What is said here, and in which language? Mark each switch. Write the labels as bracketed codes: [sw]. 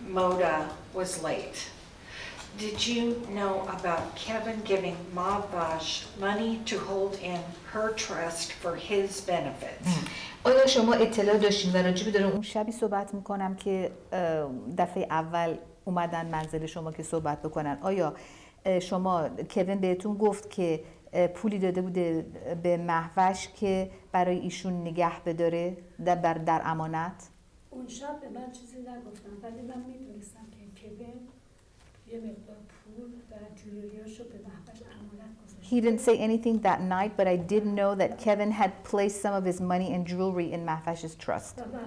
[en] Moda was late. Did you know about Kevin giving Mahfash money to hold in her trust for his benefit? [fa] آیا شما اطلاع داشتین و راجع به اون شبی صحبت میکنم که دفعه اول اومدن منزل شما که صحبت بکنن؟ آیا شما کوین بهتون گفت که پولی داده بوده به مهوش که برای ایشون نگه بداره در امانت؟ اون شب به من چیزی نگفتم ولی من میدونستم که کوین یه مقدار پول و جولیاشو به محفظ امانت گذاشت. [en] He didn't say anything that night, but I did know that Kevin had placed some of his money and jewelry in Mahfash's trust.